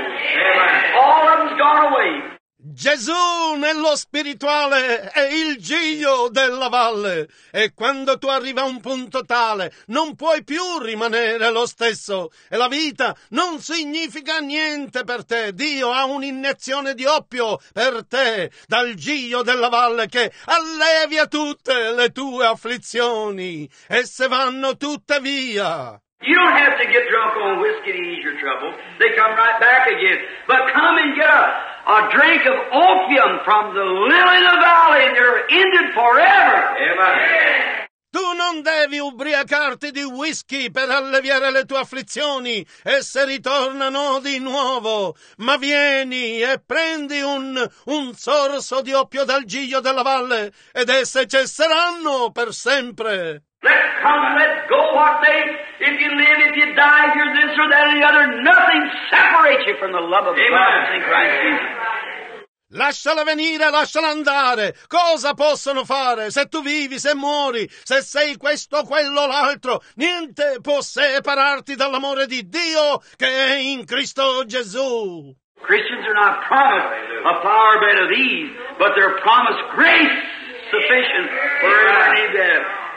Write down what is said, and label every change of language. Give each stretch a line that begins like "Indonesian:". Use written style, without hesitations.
English: Amen. All of them's gone away.
Italian: Gesù nello spirituale è il giglio della valle. E quando tu arrivi a un punto tale, non puoi più rimanere lo stesso. E la vita non significa niente per te. Dio ha un'iniezione di oppio per te dal giglio della valle che allevia tutte le tue afflizioni. E se vanno tutte via.
English: You don't have to get drunk on whiskey to ease your trouble. They come right back again. But come and get a drink of opium from the lily of the valley and you're ended forever. Amen.
Italian: Tu non devi ubriacarti di whisky per alleviare le tue afflizioni e se ritornano di nuovo. Ma vieni e prendi un sorso di oppio dal giglio della valle ed esse cesseranno per sempre.
English: Let's come, let's go, what they, if you live, if you die, if you're this or that or the other, nothing separates you from the love of God in Christ Jesus.
Italian: Lasciala venire, lasciala andare. Cosa possono fare? Se tu vivi, se muori, se sei questo, quello, l'altro, niente può separarti dall'amore di Dio che è in Cristo Gesù.
English: Christians are not promised a power better than these, but they're promised grace sufficient for every day.